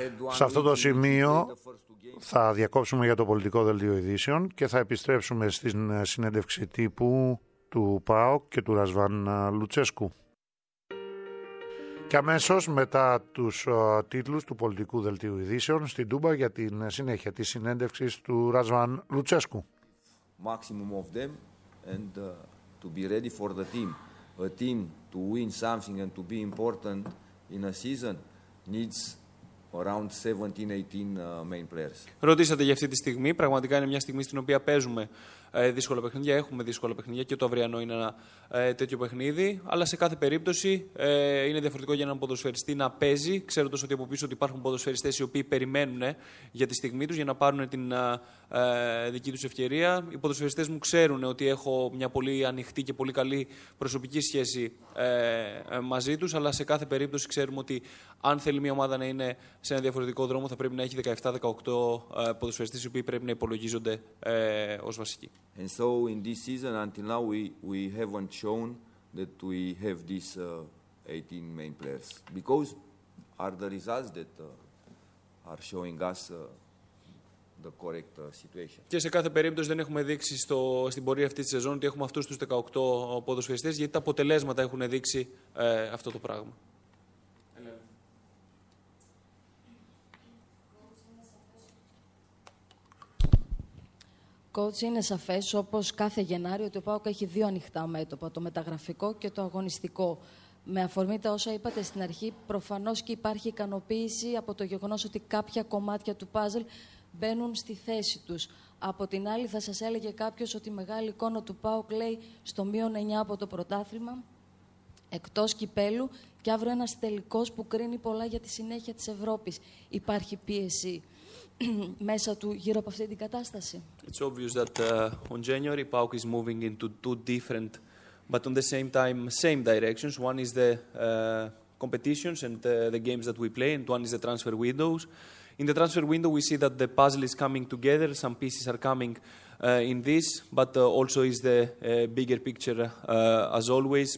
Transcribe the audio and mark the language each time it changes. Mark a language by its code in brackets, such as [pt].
[el] Σε αυτό το σημείο θα διακόψουμε για το πολιτικό δελτίο ειδήσεων και θα επιστρέψουμε στην συνέντευξη τύπου του ΠΑΟΚ και του Ρασβάν Λουτσέσκου. Και αμέσως μετά τους τίτλους του πολιτικού δελτίου ειδήσεων στην Τούμπα για την συνέχεια της συνέντευξης του Ρασβάν Λουτσέσκου. [en] Maximum of them and to be ready for the team. A team to win something and to be important in a season needs around 17-18 main players. [el] Ρωτήσατε για αυτή τη στιγμή. Πραγματικά είναι μια στιγμή στην οποία παίζουμε δύσκολα παιχνίδια, έχουμε δύσκολα παιχνίδια και το αυριανό είναι ένα τέτοιο παιχνίδι. Αλλά σε κάθε περίπτωση είναι διαφορετικό για έναν ποδοσφαιριστή να παίζει, ξέροντας ότι από πίσω ότι υπάρχουν ποδοσφαιριστές οι οποίοι περιμένουν για τη στιγμή τους για να πάρουν την δική τους ευκαιρία. Οι ποδοσφαιριστές μου ξέρουν ότι έχω μια πολύ ανοιχτή και πολύ καλή προσωπική σχέση μαζί τους, αλλά σε κάθε περίπτωση ξέρουμε ότι αν θέλει μια ομάδα να είναι σε ένα διαφορετικό δρόμο, θα πρέπει να έχει 17-18 ποδοσφαιριστές οι οποίοι πρέπει να υπολογίζονται ως βασικοί. [en] And so in this season until now we haven't shown that we have these 18 main players because are the results that are showing us the correct situation. [el] Και σε κάθε περίπτωση δεν έχουμε δείξει στην πορεία αυτή τη σεζόν ότι έχουμε αυτούς τους 18 ποδοσφαιριστές, γιατί τα αποτελέσματα έχουν δείξει αυτό το πράγμα. Coach, είναι σαφές όπως κάθε Γενάριο ότι ο ΠΑΟΚ έχει δύο ανοιχτά μέτωπα, το μεταγραφικό και το αγωνιστικό. Με αφορμή τα όσα είπατε στην αρχή, προφανώς και υπάρχει ικανοποίηση από το γεγονός ότι κάποια κομμάτια του puzzle μπαίνουν στη θέση τους. Από την άλλη, θα σας έλεγε κάποιος ότι η μεγάλη εικόνα του ΠΑΟΚ λέει στο μείον 9 από το πρωτάθλημα, εκτός κυπέλου, και αύριο ένας τελικός που κρίνει πολλά για τη συνέχεια της Ευρώπης. Υπάρχει πίεση μέσα του γύρω από αυτή την κατάσταση. [en] It's obvious that on January PAOK is moving into two different but on the same time same directions. One is the competitions and the games that we play, and one is the transfer windows. In the transfer window we see that the puzzle is coming together, some pieces are coming in this, but also is the bigger picture as always.